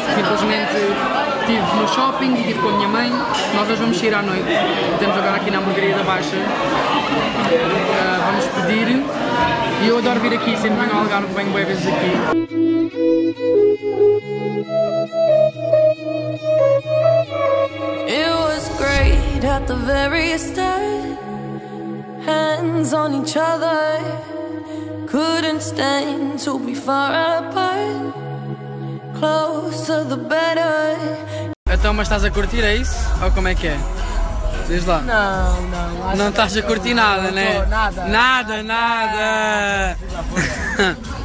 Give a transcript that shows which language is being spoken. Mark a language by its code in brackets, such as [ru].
[pt] Simplesmente estive no shopping e estive com a minha mãe. Nós hoje vamos sair à noite. Estamos agora aqui na hamburgueria da Baixa. Vamos pedir. E eu adoro vir aqui, sempre venho ao Algarve, venho bué vezes aqui. [en] It was great at the very start. Hands on each other, couldn't stand to be far apart. Closer the better. [pt] Então, mas estás a curtir, é isso? Ou como é que é? Diz lá. Não, não. Não estás a curtir não, nada, não, né? Não, nada. Nada, nada. Nada.